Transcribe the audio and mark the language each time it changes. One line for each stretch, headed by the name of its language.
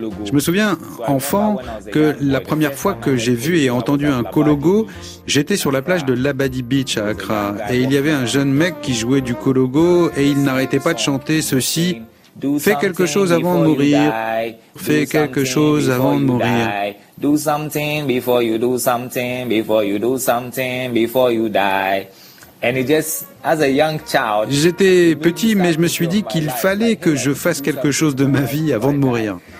French: Je me souviens, enfant, que la première fois que j'ai vu et entendu un Kologo, j'étais sur la plage de Labadi Beach à Accra, et il y avait un jeune mec qui jouait du Kologo, et il n'arrêtait pas de chanter ceci: fais quelque chose avant de mourir, fais quelque chose avant de mourir.
English: Do something before you do something, before you do something, before you die. And it just, as a young child,
French: j'étais petit, mais je me suis dit qu'il fallait que je fasse quelque chose de ma vie avant de mourir.